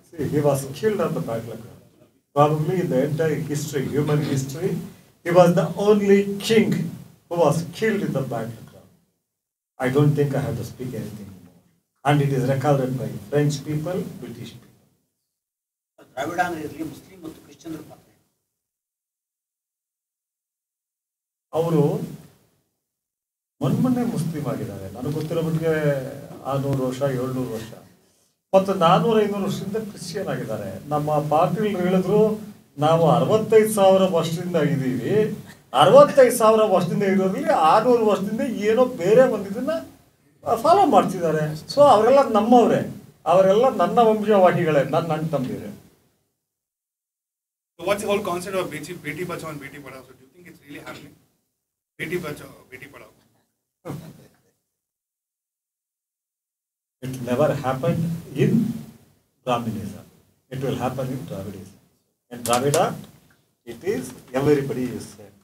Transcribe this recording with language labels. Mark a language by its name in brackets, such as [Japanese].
[English] He was killed at the battle. Probably in the entire history, human history, he was the only king who was killed in the battle. I don't think I have to speak anything more. And it is recorded by French people, British people. [Kannada] ದ್ರಾವಿಡ ಅನ್ನೋ ಇದರಲ್ಲಿ Muslim ಮತ್ತು ಕ್ರಿಶ್ಚಿಯನ್ರು ಅವರು ಮೊನ್ಮೊನ್ನೆ Muslim ಆಗಿದ್ದಾರೆ. ನನಗೆ ಗೊತ್ತಿರೋ ಮಟ್ಟಿಗೆ 600 ವರ್ಷ 700 ವರ್ಷ ಮತ್ತು 400-500 ವರ್ಷದಿಂದ ಕ್ರಿಶ್ಚಿಯನ್ ಆಗಿದ್ದಾರೆ. ನಮ್ಮ ಪಾರ್ಟಿಲಿ ಹೇಳಿದ್ರು ನಾವು 65,000 ವರ್ಷದಿಂದ ಇದ್ದೀವಿ, 65,000 ವರ್ಷದಿಂದ ಇರೋದ್ರಲ್ಲಿ 600 ವರ್ಷದಿಂದ ಏನೋ ಬೇರೆ ಬಂದಿದ್ದನ್ನು ಫಾಲೋ ಮಾಡ್ತಿದ್ದಾರೆ. ಸೊ ಅವರೆಲ್ಲ ನಮ್ಮವರೇ, ಅವರೆಲ್ಲ ನನ್ನ ವಂಶವಾಹಿಗಳೇ, ನನ್ನ ಅಣ್ಣ ತಂಬಿರೆ. [English] So what's the whole concept of BC, BT Bacho and BT Padao? So do you think it's really happening? BT Bacho, BT Padao. It never happened in Brahminism. It will happen in Dravidism. In Dravida, it is everybody is same.